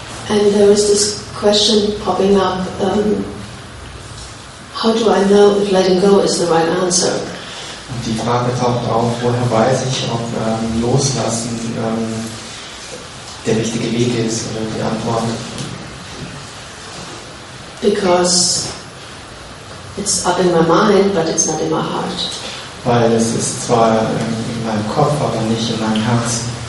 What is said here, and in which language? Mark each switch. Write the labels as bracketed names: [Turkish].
[English] And there is this question popping up, how do I know if letting go is the right answer? [German] Und die Frage taucht auf, woher weiß ich, ob loslassen der richtige Weg ist oder die Antwort. [English] Because it's up in my mind, but it's not in my heart. [German] Weil es ist zwar in meinem Kopf, aber nicht in meinem Herz.